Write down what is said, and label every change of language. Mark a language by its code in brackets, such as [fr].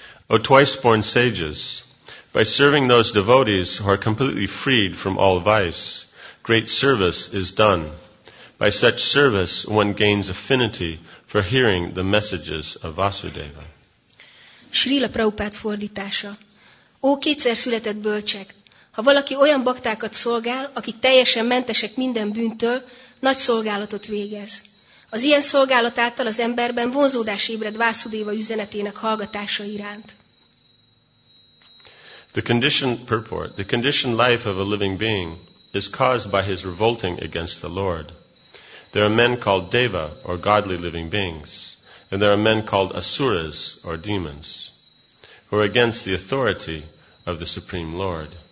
[en] O twice-born sages, by serving those devotees who are completely freed from all vice, great service is done. By such service, one gains affinity for hearing the messages of Vasudeva. [hu] Srila Prabhupád fordítása. Ó, kétszer született bölcsek! Ha valaki olyan baktákat szolgál, akik teljesen mentesek minden bűntől, nagy szolgálatot végez. Az ilyen szolgálat által az emberben vonzódás ébred Vasudeva üzenetének hallgatása iránt. [en] The conditioned purport, the conditioned life of a living being is caused by his revolting against the Lord. There are men called Deva, or godly living beings, and there are men called Asuras, or demons, who are against the authority of the Supreme Lord.